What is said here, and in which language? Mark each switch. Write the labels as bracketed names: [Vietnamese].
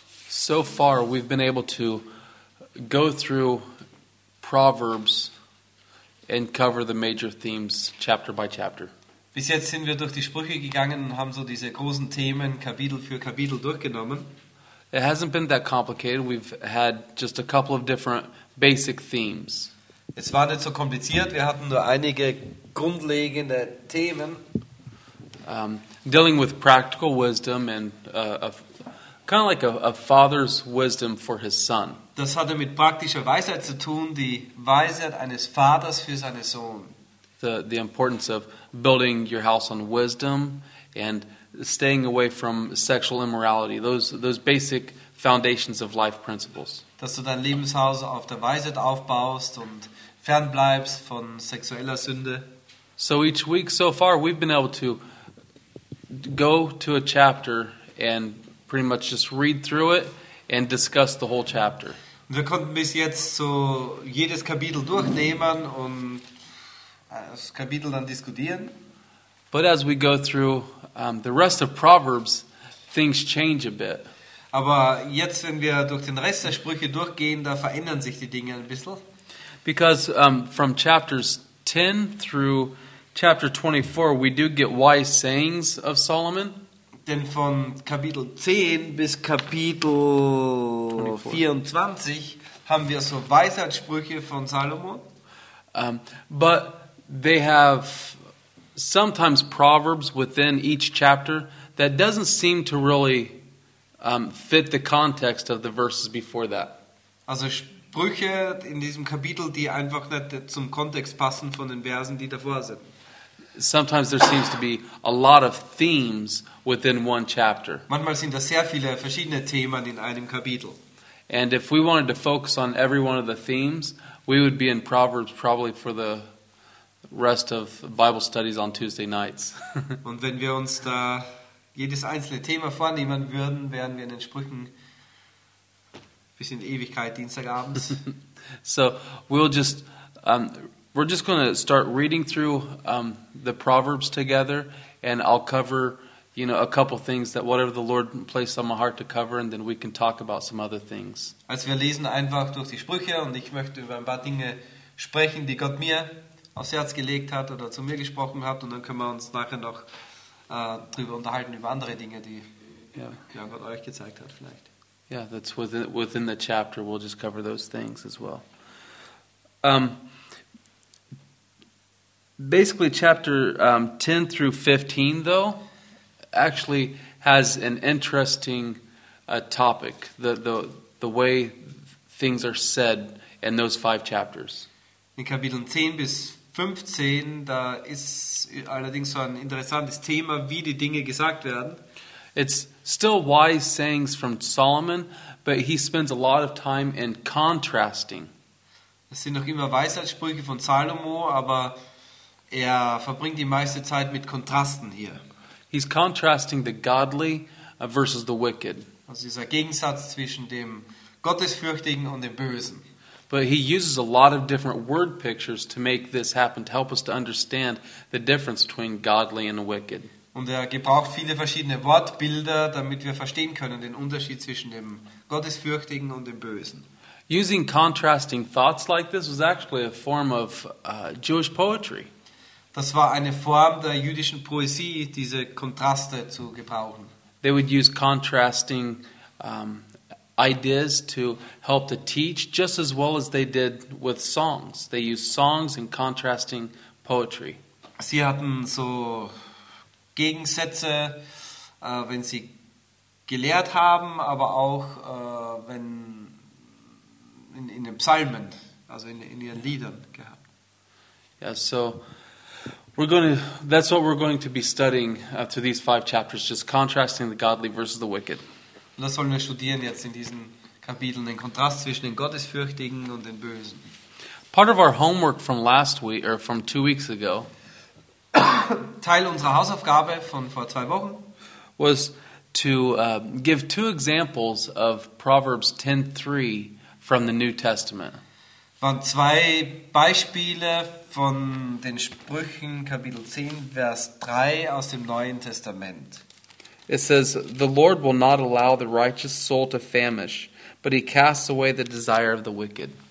[English] So far, we've been able to go through Proverbs and cover the major themes chapter by chapter. [German] Bis jetzt sind wir durch die Sprüche gegangen und haben so diese großen Themen Kapitel für Kapitel durchgenommen. [English] It hasn't been that complicated. We've had just a couple of different basic themes. [German] Es war nicht so kompliziert. Wir hatten nur einige grundlegende Themen. [English] Dealing with practical wisdom and kind of like a father's wisdom for his son. [German] Das hatte mit praktischer Weisheit zu tun, die Weisheit eines Vaters für seinen Sohn. [English] The importance of building your house on wisdom and staying away from sexual immorality. Those basic foundations of life principles. [German] Dass du dein Lebenshaus auf der Weisheit aufbaust und fernbleibst von sexueller Sünde. [English] So each week so far we've been able to go to a chapter and pretty much just read through it and discuss the whole chapter. [German] Wir konnten bis jetzt so jedes Kapitel durchnehmen und das Kapitel dann diskutieren. [English] But as we go through the rest of Proverbs, things change a bit. [German] Aber jetzt, wenn wir durch den Rest der Sprüche durchgehen, da verändern sich die Dinge ein bisschen. [English] Because from chapters 10 through chapter 24, we do get wise sayings of Solomon. [German] Denn von Kapitel 10 bis Kapitel 24 haben wir so Weisheitssprüche von Salomon. [English] But they have sometimes proverbs within each chapter that doesn't seem to really fit the context of the verses before that. [German] Also Sprüche in diesem Kapitel, die einfach nicht zum Kontext passen von den Versen, die davor sind. [English] Sometimes there seems to be a lot of themes within one chapter. [German] Manchmal sind da sehr viele verschiedene Themen in einem Kapitel. [English] And if we wanted to focus on every one of the themes, we would be in Proverbs probably for the rest of Bible studies on Tuesday nights. [German] Und wenn wir uns da jedes einzelne Thema vornehmen würden, wären wir in den Sprüchen bis in die Ewigkeit Dienstagabends. [English] So we're just going to start reading through the Proverbs together, and I'll cover, you know, a couple things that whatever the Lord placed on my heart to cover, and then we can talk about some other things. [German] Also wir lesen einfach durch die Sprüche, und ich möchte über ein paar Dinge sprechen, die Gott mir aufs Herz gelegt hat oder zu mir gesprochen hat, und dann können wir uns nachher noch drüber unterhalten über andere Dinge, die ja, Gott euch gezeigt hat vielleicht. [English] Yeah, that's within the chapter. We'll just cover those things as well. Basically, chapter 10 through 15, though, actually has an interesting topic, the way things are said in those five chapters. [German] In Kapiteln 10 bis 15, da ist allerdings so ein interessantes Thema, wie die Dinge gesagt werden. [English] It's still wise sayings from Solomon, but he spends a lot of time in contrasting. [German] Es sind noch immer Weisheitssprüche von Salomo, aber er verbringt die meiste Zeit mit Kontrasten hier. [English] He's contrasting the godly versus the wicked. [German] Also dieser Gegensatz zwischen dem Gottesfürchtigen und dem Bösen. [English] But he uses a lot of different word pictures to make this happen, to help us to understand the difference between godly and wicked. [German] Und er gebraucht viele verschiedene Wortbilder, damit wir verstehen können den Unterschied zwischen dem Gottesfürchtigen und dem Bösen. [English] Using contrasting thoughts like this was actually a form of Jewish poetry. [German] Das war eine Form der jüdischen Poesie, diese Kontraste zu gebrauchen. [English] They would use contrasting ideas to help to teach, just as well as they did with songs. They used songs and contrasting poetry. [German] Sie hatten so Gegensätze, wenn sie gelehrt haben, aber auch wenn in den Psalmen, also in ihren Liedern gehabt. [English] Yeah, so that's what we're going to be studying through these five chapters, just contrasting the godly versus the wicked. [German] Und das sollen wir studieren jetzt in diesen Kapiteln, den Kontrast zwischen den Gottesfürchtigen und den Bösen. [English] Part of our homework from last week or from 2 weeks ago. [German] Teil unserer Hausaufgabe von vor zwei Wochen [English] was to give two examples of Proverbs 10:3 from the New Testament. [German] Waren zwei Beispiele von den Sprüchen Kapitel 10 Vers 3 aus dem Neuen Testament. [English] It says, "The Lord will not allow the righteous soul to famish, but he casts away the desire of the wicked."